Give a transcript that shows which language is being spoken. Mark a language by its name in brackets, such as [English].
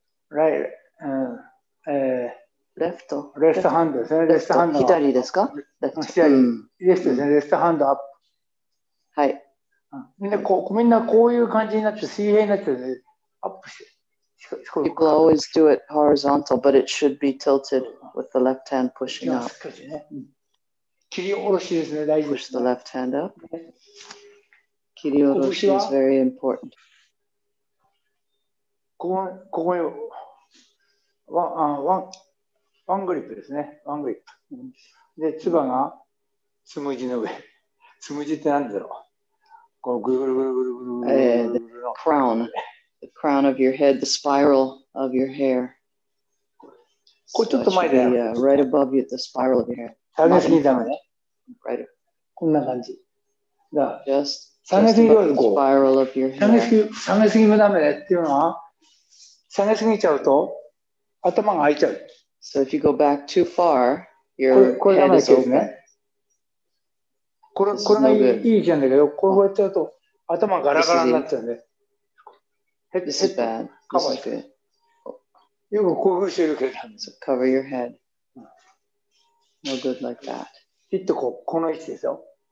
[English] Right. Left. Left hand [Japanese] ですね。 [English] Left hand. [Japanese] 左ですか？左。 [English] Left [Japanese] ですね。 [English] Left hand up. [Japanese] はい。みんなこういう感じになって水平になってね、アップして。 [English] People always do it horizontal, but it should be tilted with the left hand pushing up. [Japanese] 切り下ろしですね、大事です。 [English] Push the left hand up. 切り下ろし is very important. [Japanese] ここに、ワングリップですね、ワングリップ。で、つばがつむじの上。つむじって何だろう。 [English] The crown. The crown of your head, the spiral of your hair. [Japanese] これちょっと前で。 [English] Right above you, the spiral of your hair. [Japanese] 下げすぎダメね。 [English] Right. [Japanese] こんな感じ。 [English] Just above the spiral of your hair. [Japanese] 下げすぎもダメねっていうのは、下げすぎちゃうと頭が開いちゃう。 [English] So if you go back too far, your head is open. [Japanese] これがいいじゃんだけど、これをやっちゃうと頭ガラガラになっちゃうんで。ヘッドセット。よく興奮してるけど。 [English] So、cover your head. No good like that. [Japanese] ヒットこう、この位置ですよ。